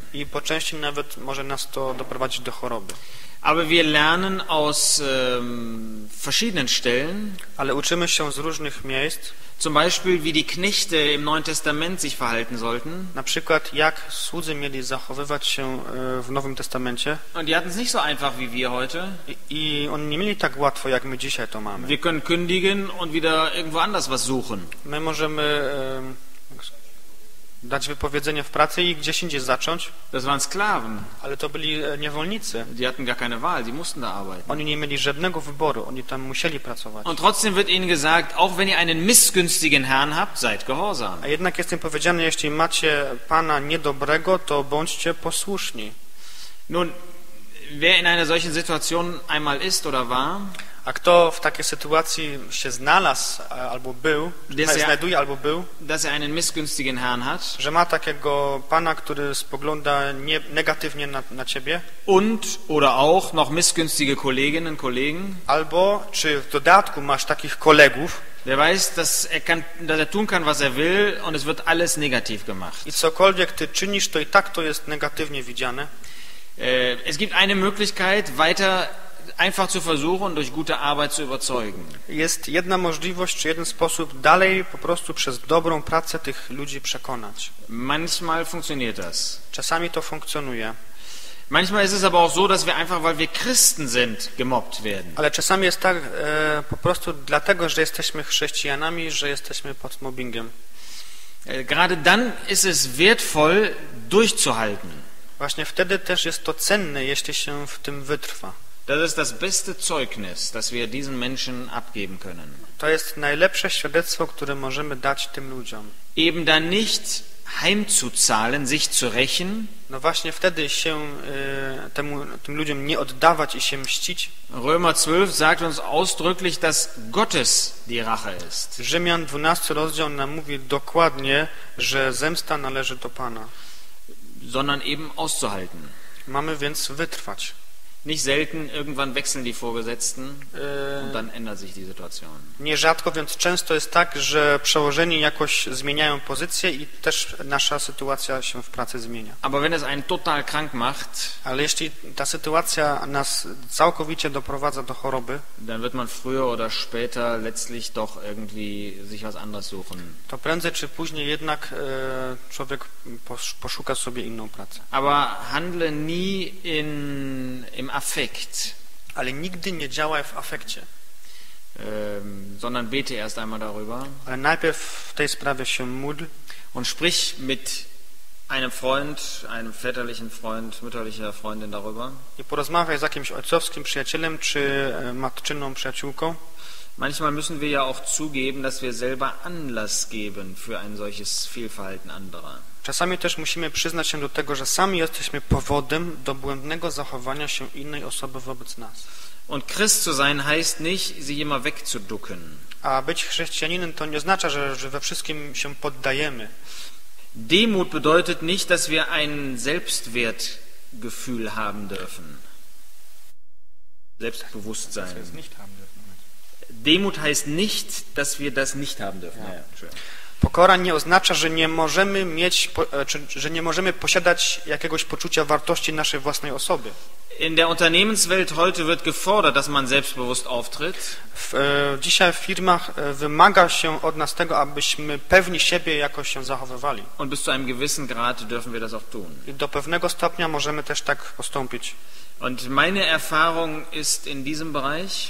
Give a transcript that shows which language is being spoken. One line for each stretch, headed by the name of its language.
Polish: I po części nawet może nas to doprowadzić do choroby.
German: Aber wir lernen aus verschiedenen Stellen.
Polish: Ale uczymy się z różnych miejsc.
German: Zum Beispiel, wie die Knechte im Neuen Testament sich verhalten sollten.
Polish: Na przykład, jak słudzy mieli zachowywać się w Nowym Testamencie.
German: Und die hatten es nicht so einfach wie wir heute.
Polish: I oni nie mieli tak łatwo, jak my dzisiaj to mamy.
German: Wir können kündigen und wieder irgendwo anders was suchen.
Polish: My możemy dać wypowiedzenie w pracy i gdzieś indziej zacząć.
German: Das waren Sklaven.
Polish: Ale to byli niewolnicy.
German: Die hatten gar keine Wahl, die mussten da arbeiten.
Polish: Oni nie mieli żadnego wyboru, oni tam musieli pracować.
German: Und trotzdem wird ihnen gesagt, auch wenn ihr einen missgünstigen Herrn habt, seid gehorsam.
Polish: A jednak jest im powiedziane, jeśli macie pana niedobrego, to bądźcie posłuszni.
German: Nun, wer in einer solchen Situation einmal ist oder war,
Polish: a kto w takiej sytuacji się znalazł albo był, znajduje albo był,
German: dass er einen missgünstigen Herrn hat,
Polish: że ma takiego pana, który spogląda negatywnie na ciebie,
German: und oder auch noch missgünstige Kolleginnen und Kollegen,
Polish: albo czy w dodatku masz takich kolegów,
German: der weiß, dass er tun kann, was er will, und es wird alles negativ gemacht.
Polish: I cokolwiek ty czynisz, to i tak to jest negatywnie widziane.
German: Es gibt eine Möglichkeit, weiter einfach zu versuchen, durch gute Arbeit zu überzeugen.
Polish: Jest jedna możliwość, czy jeden sposób, dalej po prostu przez dobrą pracę tych ludzi przekonać.
German: Manchmal funktioniert das.
Polish: Czasami to funkcjonuje.
German: Manchmal ist es aber auch so, dass wir einfach, weil wir Christen sind, gemobbt werden.
Polish: Ale czasami jest tak, po prostu dlatego, że jesteśmy chrześcijanami, że jesteśmy pod mobbingiem.
German: Gerade dann ist es wertvoll, durchzuhalten.
Polish: Właśnie wtedy też jest to cenne, jeśli się w tym wytrwa.
German: Das ist das beste Zeugnis, das wir diesen Menschen abgeben können.
Polish: To jest najlepsze świadectwo, które możemy dać tym ludziom.
German: Eben dann nicht heimzuzahlen, sich zu rächen.
Polish: No właśnie wtedy się tym ludziom nie oddawać i się mścić.
German: Römer 12 sagt uns ausdrücklich, dass Gottes die Rache ist.
Polish: Rzymian 12 rozdział nam mówi dokładnie, że zemsta należy do Pana.
German: Sondern eben auszuhalten.
Polish: Mamy więc wytrwać.
German: Nicht selten irgendwann wechseln die Vorgesetzten und dann ändert sich die Situation.
Polish: Nierzadko, więc często jest tak, że przełożeni jakoś zmieniają pozycję i też nasza sytuacja się w pracy zmienia.
German: Aber wenn es einen total krank macht,
Polish: ale jeśli ta sytuacja nas całkowicie doprowadza do choroby,
German: dann wird man früher oder später letztlich doch irgendwie sich was anderes suchen.
Polish: To prędzej czy później jednak człowiek poszuka sobie inną pracę.
German: Aber handle nie in im Affekt.
Polish: Ale nigdy nie działaj w afekcie.
German: Sondern bete erst einmal darüber.
Polish: Ale najpierw w tej sprawie się módl.
German: Und sprich mit einem Freund, einem väterlichen Freund, mütterlicher Freundin darüber.
Polish: I porozmawiaj z jakimś ojcowskim przyjacielem czy matczyną przyjaciółką.
German: Manchmal müssen wir ja auch zugeben, dass wir selber Anlass geben für ein solches Fehlverhalten anderer.
Polish: Czasami też musimy przyznać się do tego, że sami jesteśmy powodem do błędnego zachowania się innej osoby wobec nas.
German: Und Christ zu sein heißt nicht, sich immer wegzuducken.
Polish: A być chrześcijaninem to nie oznacza, że we wszystkim się poddajemy.
German: Demut bedeutet nicht, dass wir ein Selbstwertgefühl haben dürfen. Selbstbewusstsein. Dass wir es nicht haben dürfen. Demut heißt nicht, dass wir das nicht haben dürfen. Ja.
Polish: Pokora nie oznacza, że nie możemy mieć, że nie możemy posiadać jakiegoś poczucia wartości naszej własnej osoby.
German: In der Unternehmenswelt heute wird gefordert, dass man selbstbewusst auftritt.
Polish: Dzisiaj w firmach wymaga się od nas tego, abyśmy pewni siebie jakoś się zachowywali.
German: Und bis zu einem gewissen Grad dürfen wir das auch tun.
Polish: I do pewnego stopnia możemy też tak postąpić.
German: Und meine Erfahrung ist in diesem Bereich.